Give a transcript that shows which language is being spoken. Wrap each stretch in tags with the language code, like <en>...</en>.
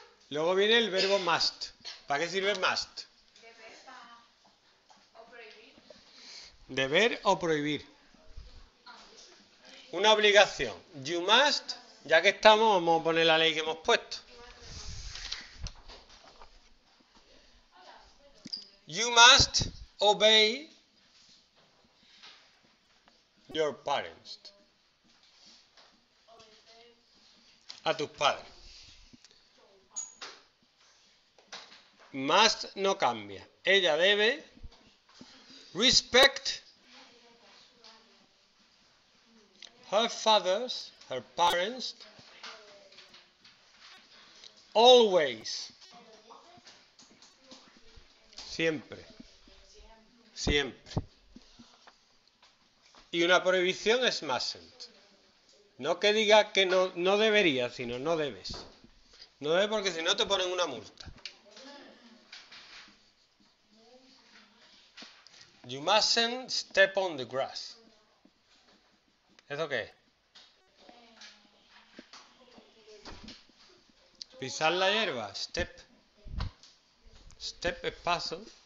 <es>Luego viene el verbo must. ¿Para qué sirve must? Deber o prohibir. Una obligación. You must, ya que estamos, vamos a poner la ley que hemos puesto.</es> <en>You must obey your parents.</en> <es>A tus padres. Must no cambia. Ella debe.</es> <en>Respect her father's, her parents, always.</en> <es>Siempre. Siempre. Y una prohibición es mustn't. No que diga que no, no debería, sino no debes. No debes porque si no te ponen una multa.</es> <en>You mustn't step on the grass.</en> <es>¿Eso qué? Pisar la hierba, step. Step es paso.</es>